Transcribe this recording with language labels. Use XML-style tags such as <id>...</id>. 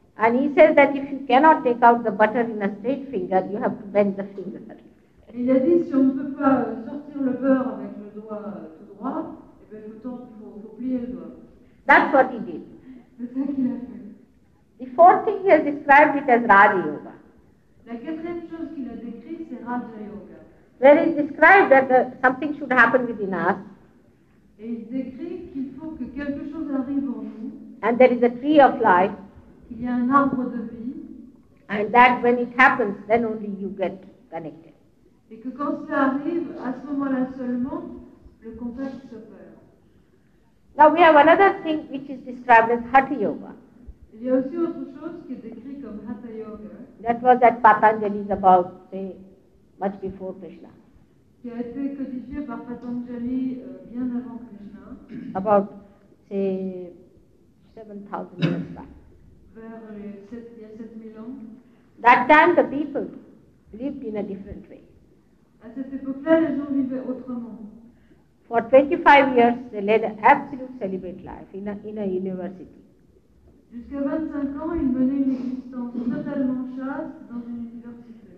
<en>And he says that if you cannot take out the butter in a straight finger, you have to bend the finger.</en> <fr>Il a dit si on ne peut pas sortir le beurre avec le doigt tout droit, et bien autant faut plier le doigt.</fr> <en>That's what he did.</en> <fr>C'est ça qu'il a fait.</fr> <en>The fourth thing he has described it as Raja Yoga.</en> <fr>La quatrième chose qu'il a décrit, c'est Raja Yoga.</fr> <en>Where he described that something should happen within us.</en> <fr>Et il décrit qu'il faut que quelque chose arrive en nous.</fr> <en>And there is a tree of life.</en> <fr>Il y a un arbre de vie.</fr> <en>And that when it happens, then only you get connected.</en> <fr>Et que quand ça arrive, à ce moment-là seulement, le contact s'opère.</fr> <en>Now we have another thing which is described as Hatha Yoga.</en> <fr>Il y a aussi autre chose qui est décrit comme Hatha Yoga.</fr> <en>That was that Patanjali is about, say, much before Krishna.</en> <fr>Qui a été codifié par Patanjali bien avant Krishna.</fr> <en>About, say, 7,000 years back.</en> <fr>Il y a 7,000 ans.</fr> <en>That time the people lived in a different way.</en> <fr>À cette époque-là, les gens vivaient autrement.</fr> <en>For 25 years, they led an absolute celibate life in a university.</en> <fr>Jusqu'à 25 ans, ils menaient une existence totalement chaste dans une université.</fr>